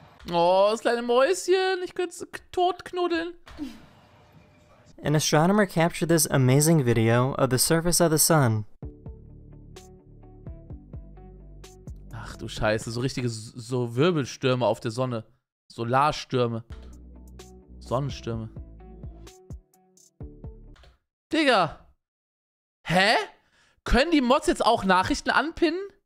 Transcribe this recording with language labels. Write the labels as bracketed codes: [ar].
[de] Oh, das kleine Mäuschen, ich könnte es totknuddeln. [en] An astronomer captured this amazing video of the surface of the sun. [de] Ach du Scheiße, so richtige so Wirbelstürme auf der Sonne. Solarstürme. Sonnenstürme. Digga! Hä? Können die Mods jetzt auch Nachrichten anpinnen?